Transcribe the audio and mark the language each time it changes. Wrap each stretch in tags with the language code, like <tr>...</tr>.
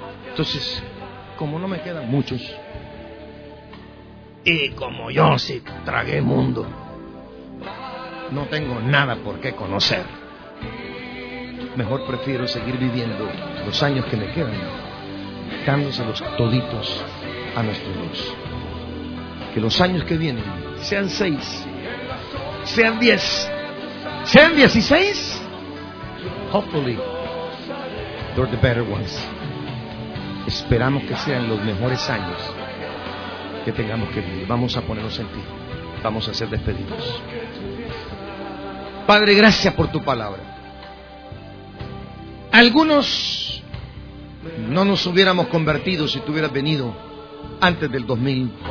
<es>Entonces, como no me quedan muchos, y como yo sí tragué mundo, no tengo nada por qué conocer. Mejor prefiero seguir viviendo los años que me quedan, dándoselos toditos a nuestro Dios. Que los años que vienen sean 6, sean 10, ¿Sean 16?</es> <en>Hopefully, they're the better ones.</en> <es>Esperamos que sean los mejores años que tengamos que vivir. Vamos a ponernos en ti. Vamos a ser despedidos. Padre, gracias por tu palabra. Algunos no nos hubiéramos convertido si tú hubieras venido antes del 2000.</es>